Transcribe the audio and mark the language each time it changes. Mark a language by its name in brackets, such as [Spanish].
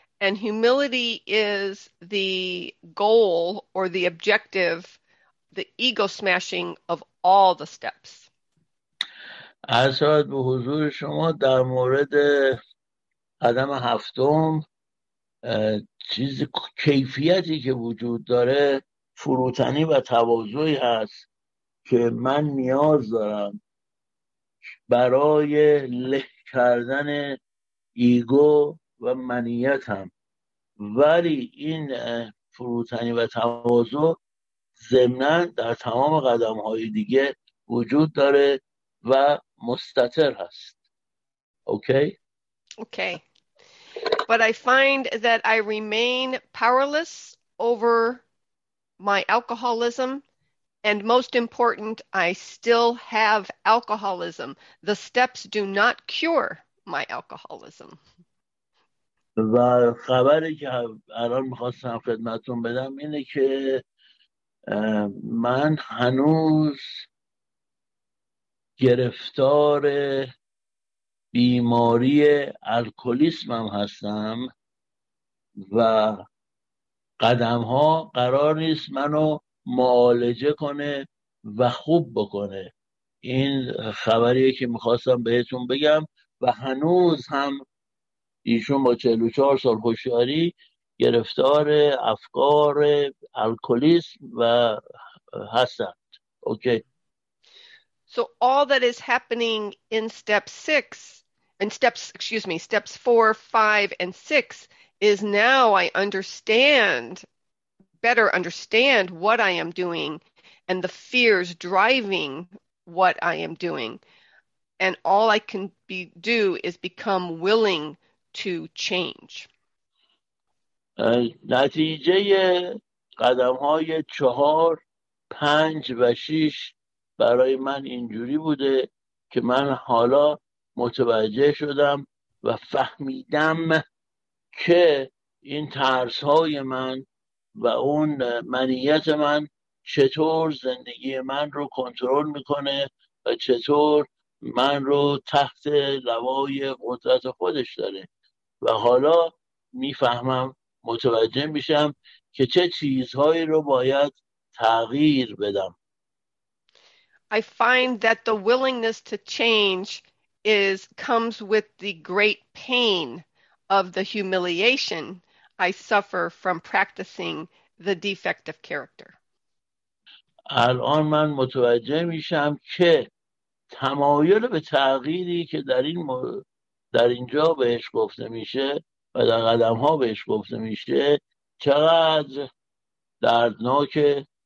[English] And humility is the goal or the objective, the ego smashing of all the steps. [Persian] عرض به حضور شما در مورد قدم هفتم، چیز کیفیتی که وجود داره فروتنی و تواضعی هست که من نیاز دارم برای له کردن ایگو و منیتم، ولی این فروتنی و تواضع ضمناً در تمام قدم‌های دیگه وجود داره و مستتر هست. اوکی؟ اوکی. [English] But I find that I remain powerless over my alcoholism. And most important, I still have alcoholism. The steps do not cure my alcoholism. [Persian] و خبری که الان میخواستم خدمتون بدم اینه که من هنوز گرفتار بیماری الکلیسمم هستم و قدم ها قرار نیست منو معالجه کنه و خوب بکنه. این خبریه که میخواستم بهتون بگم و هنوز هم ایشون با 44 سال هوشیاری گرفتار افکار الکلیسم و هستند. اوکی. [English] So all that is happening in step 6 and steps, excuse me, steps 4, 5 and 6 is now I understand, better understand what I am doing and the fears driving what I am doing. And all I can be do is become willing to change. [Persian] نتیجه قدم های 4, 5 و 6 برای من اینجوری بوده که من حالا متوجه شدم و فهمیدم که این ترس های من و اون منیت من چطور زندگی من رو کنترل میکنه و چطور من رو تحت لوای قدرت خودش داره و حالا میفهمم، متوجه میشم که چه چیزهایی رو باید تغییر بدم. [English] I find that the willingness to change is comes with the great pain of the humiliation I suffer from practicing the defect of character. [Persian] الان من متوجه میشم که تمایل به تغییری که در این در اینجا بهش گفته میشه و در قدم ها بهش گفته میشه چقدر دردناک،